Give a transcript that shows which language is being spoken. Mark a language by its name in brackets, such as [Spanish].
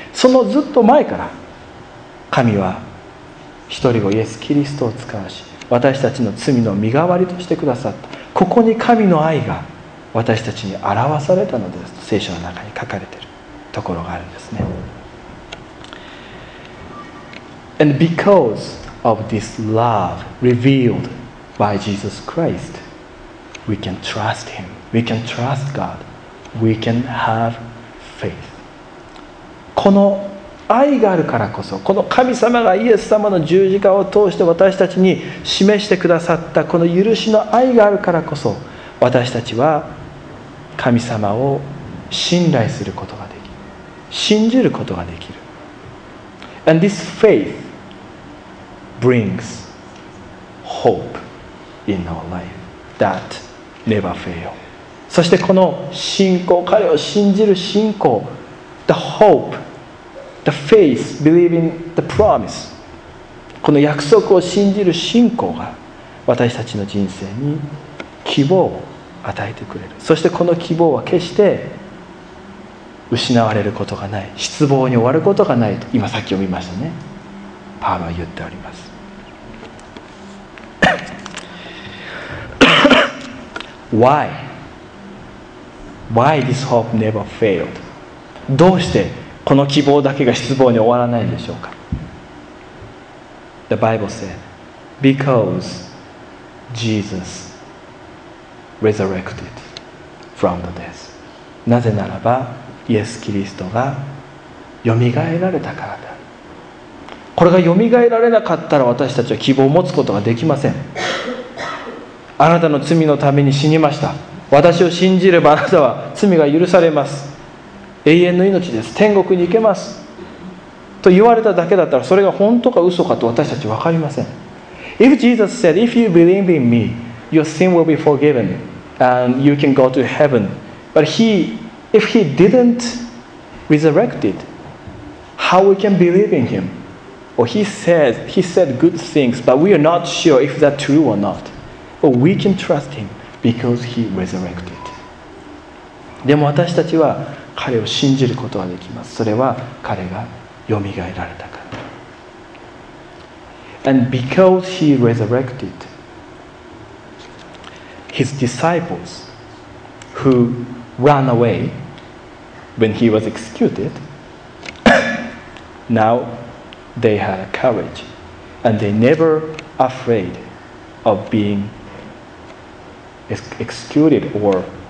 [Japanese] そのずっと前から神は一人をイエス・キリストを使わし、私たちの罪の身代わりとしてくださった。ここに神の愛が私たちに表されたのです。聖書の中に書かれているところがあるんですね。 [English] And because of this love revealed by Jesus Christ, we can trust Him. We can trust God. We can have faith. [Japanese] この愛があるからこそ、この神様がイエス様の十字架を通して私たちに示してくださったこの許しの愛があるからこそ、私たちは神様を信頼することができる、信じることができる。 [English] And this faith brings hope in our life that never fail. [Japanese] そしてこの信仰、彼を信じる信仰、 [English] the hope, the faith, believing the promise, [Japanese] この約束を信じる信仰が私たちの人生に希望を与えてくれる。そしてこの希望は決して失われることがない、失望に終わることがないと今さっき読みましたね、パウロは言っております。 [English] Why? Why this hope never failed? [Japanese] どうしてこの希望だけが失望に終わらないんでしょうか。 [English] The Bible said, Because Jesus resurrected from the death. [Japanese] なぜならばイエス・キリストがよみがえられたからだ。これがよみがえられなかったら私たちは希望を持つことができません。あなたの罪のために死にました。私を信じればあなたは罪が許されます、永遠の命です、天国に行けますと言われただけだったら、それが本当か嘘かと私たちは分かりません。 [English] If Jesus said, If you believe in me, your sin will be forgiven and you can go to heaven, but heIf he didn't resurrect it, how we can believe in him? Or he said good things, but we are not sure if that's true or not. Or we can trust him because he resurrected. [Japanese] でも私たちは彼を信じることができます。それは彼がよみがえられたから。 [English] And because he resurrected, his disciples who ran away,When he was executed, now they had courage and they never afraid of being executed or,